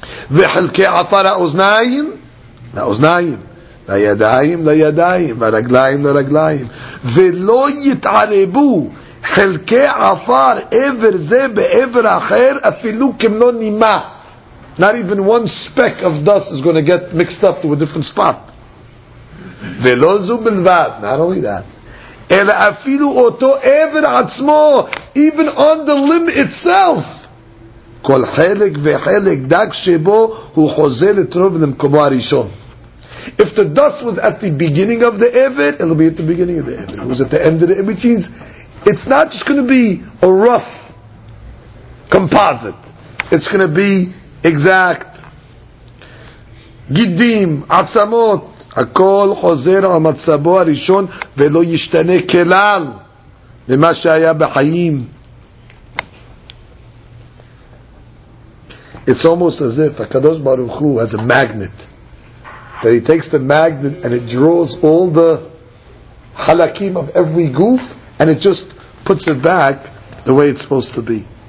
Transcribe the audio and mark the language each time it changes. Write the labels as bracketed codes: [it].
[he] וחלקי עפר האוזניים, לאוזניים, לידיים, לידיים, ורגליים, לרגליים. ולא יתערבו חלקי עפר, עבר זה בעבר אחר, אפילו כמלא נימה. [en] Not even one speck of dust is going to get mixed up to a different spot. [he] ולא זו בלבד, [en] not only that. [he] אלא אפילו אותו עבר עצמו, [en] even on the limb itself. [he] כל חלק וחלק דק שבו הוא חוזר לטרוב למקומו הראשון. [en] If the dust was at the beginning of the Eved, it'll be at the beginning of the Eved. It was at the end of the Eved. It's not just going to be a rough composite. It's going to be exact. [he] גידים, עצמות, הכל חוזר על מצבו הראשון ולא ישתנה כלל למה שהיה בחיים. [en] It's almost as if HaKadosh Baruch Hu has a magnet that he takes the magnet and it draws all the halakim of every goof and it just puts it back the way it's supposed to be.